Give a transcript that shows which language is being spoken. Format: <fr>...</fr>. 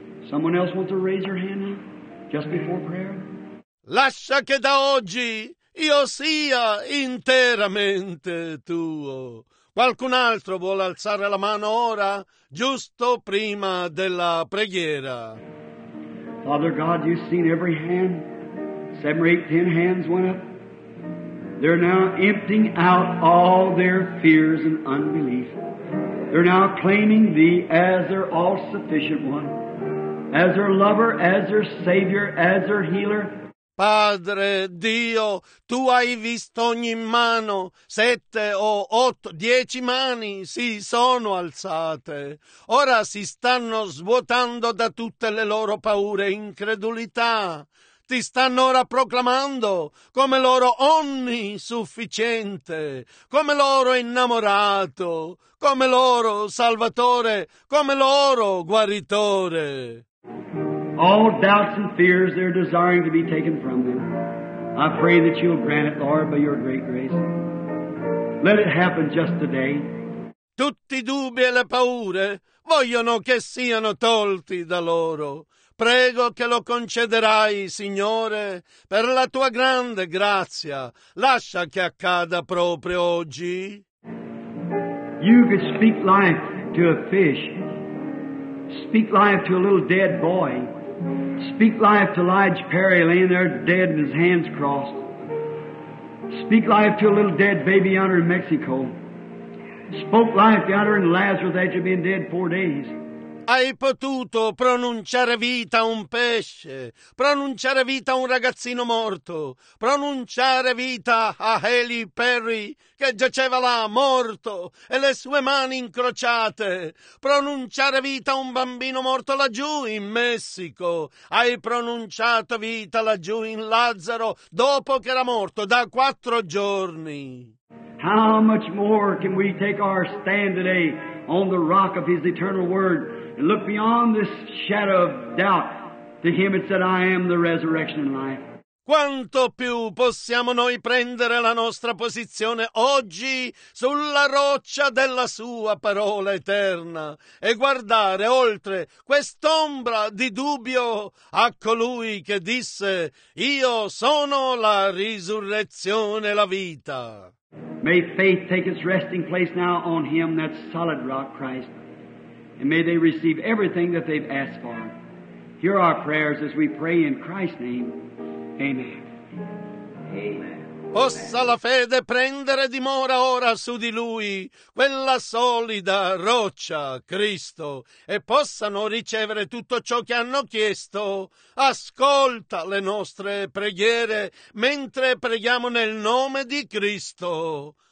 <en>Someone else wants to raise your hand just before prayer?</en> <it>Lascia che da oggi io sia interamente tuo. Qualcun altro vuole alzare la mano ora, giusto prima della preghiera?</it> <en>Father God, you've seen every hand. 7 or 8, 10 hands went up. They're now emptying out all their fears and unbelief. They're now claiming Thee as their all-sufficient one, as their lover, as their Savior, as their healer.</en> <it>Padre Dio, Tu hai visto ogni mano, 7 o 8, 10 mani si sono alzate. Ora si stanno svuotando da tutte le loro paure e incredulità. Ti stanno ora proclamando come loro onnisufficiente, come loro innamorato, come loro salvatore, come loro guaritore.</it> <en>All doubts and fears they're desiring to be taken from them. I pray that you'll grant it, Lord, by your great grace. Let it happen just today.</en> <it>Tutti i dubbi e le paure vogliono che siano tolti da loro. Prego che lo concederai, Signore, per la tua grande grazia. Lascia che accada proprio oggi.</it> <en>You could speak life to a fish. Speak life to a little dead boy. Speak life to Lige Perry laying there dead and his hands crossed. Speak life to a little dead baby yonder in Mexico. Spoke life to yonder in Lazarus after being dead 4 days.</en> <it>Hai potuto pronunciare vita a un pesce, pronunciare vita a un ragazzino morto, pronunciare vita a Haley Perry che giaceva là morto e le sue mani incrociate, pronunciare vita a un bambino morto laggiù in Messico. Hai pronunciato vita laggiù in Lazzaro dopo che era morto da 4 giorni.</it> <en>How much more can we take our stand today on the rock of His eternal word? And look beyond this shadow of doubt to Him and said, I am the resurrection and life.</en> <it>Quanto più possiamo noi prendere la nostra posizione oggi sulla roccia della Sua parola eterna e guardare oltre quest'ombra di dubbio a colui che disse, Io sono la risurrezione e la vita.</it> <en>May faith take its resting place now on Him, that solid rock, Christ. And may they receive everything that they've asked for. Hear our prayers as we pray in Christ's name. Amen. Amen.</en> <it>Possa la fede prendere dimora ora su di Lui, quella solida roccia, Cristo, e possano ricevere tutto ciò che hanno chiesto. Ascolta le nostre preghiere mentre preghiamo nel nome di Cristo.</it>